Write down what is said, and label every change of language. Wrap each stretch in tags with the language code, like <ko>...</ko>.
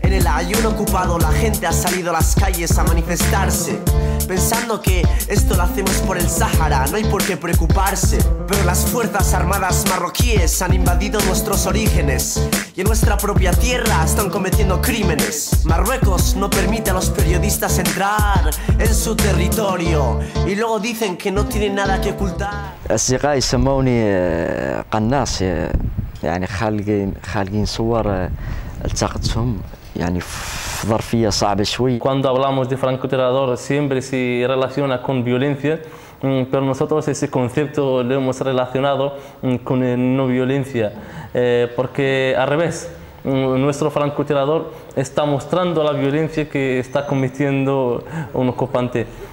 <es>En el Aiún ocupado la gente ha salido a las calles a manifestarse, pensando que esto lo hacemos por el Sahara, no hay por qué preocuparse. Pero las fuerzas armadas marroquíes han invadido nuestros orígenes y en nuestra propia tierra están cometiendo crímenes. Marruecos no permite a los periodistas entrar en su territorio y luego dicen que no tienen nada que ocultar.</es> <ar>أصدقائي سموني قناص يعني خالقين صور التقطتهم يعني ظرفيه صعبه شوي.</ar> <es>Cuando hablamos de francotirador siempre se relaciona con violencia, pero nosotros ese concepto lo hemos relacionado con no violencia, porque al revés, nuestro francotirador está mostrando la violencia que está cometiendo un ocupante.</es>